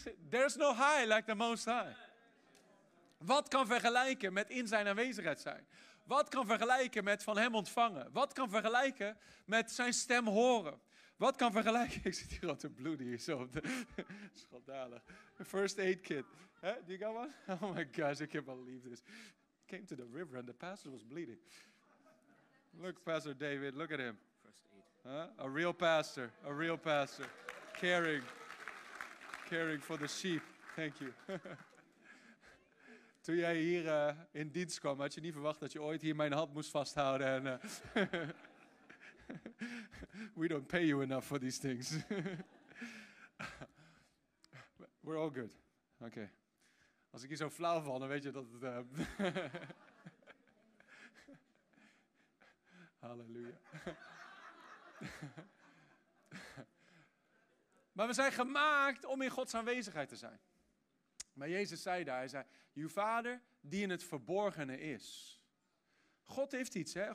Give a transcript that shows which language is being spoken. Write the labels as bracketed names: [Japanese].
[English] There's no high like the most high. [Dutch] Wat kan vergelijken met in zijn aanwezigheid zijn? Wat kan vergelijken met van hem ontvangen? Wat kan vergelijken met zijn stem horen? Wat kan vergelijken... Ik zit hier al te bloeden hier zo. Schandalig. [English] First aid kit. Huh? Do you got one? Oh my gosh, I can't believe this. Came to the river and the pastor was bleeding. Look, Pastor David, look at him. First aid. Huh? A real pastor. Caring. Caring for the sheep. Thank you. [Dutch] Toen jij hier in dienst kwam, had je niet verwacht dat je ooit hier mijn hand moest vasthouden. En, [English] we don't pay you enough for these things. We're all good. Okay. [Dutch] Als ik hier zo flauw val, dan weet je dat het... Halleluja. Maar we zijn gemaakt om in Gods aanwezigheid te zijn. Maar Jezus zei daar, hij zei, je vader die in het verborgene is. God heeft iets, hè?